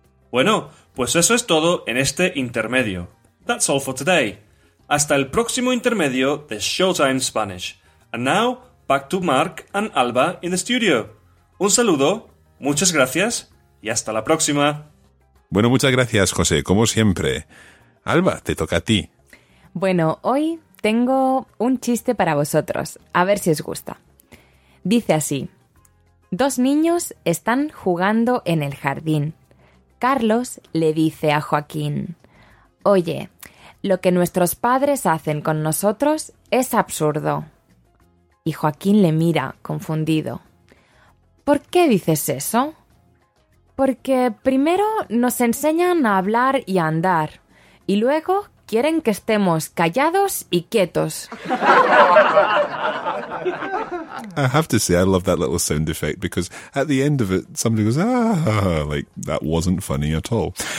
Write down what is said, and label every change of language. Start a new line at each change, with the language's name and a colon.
Spanish: Bueno, pues eso es todo en este intermedio.
English: That's all for today.
Spanish: Hasta el próximo intermedio de Showtime Spanish.
English: And now, back to Mark and Alba in the studio.
Spanish: Un saludo, muchas gracias y hasta la próxima. Bueno, muchas gracias, José, como siempre. Alba, te toca a ti. Bueno, hoy tengo un chiste para vosotros, a ver si os gusta. Dice así. Dos niños están jugando en el jardín. Carlos le dice a Joaquín. Oye, lo que nuestros padres hacen con nosotros es absurdo. Y Joaquín le mira, confundido. ¿Por qué dices eso? Porque primero nos enseñan a hablar y a andar, y luego quieren que estemos callados y quietos.
English: I have to say, I love that little sound effect, because at the end of it, somebody goes, like, that wasn't funny at all.